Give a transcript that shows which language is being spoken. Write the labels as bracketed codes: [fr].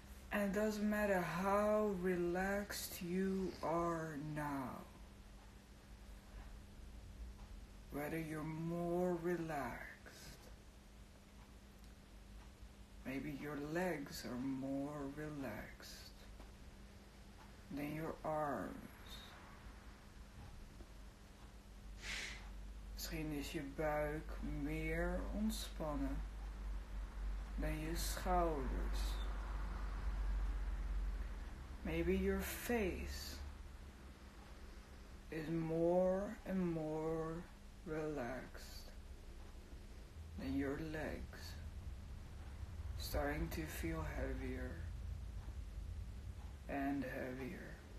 [en] And it doesn't matter how relaxed you are now, whether you're more relaxed, maybe your legs are more relaxed than your arms. [nl] Misschien is je buik meer ontspannen dan je schouders. [en] Maybe your face is more and more relaxed than your legs, starting to feel heavier and heavier.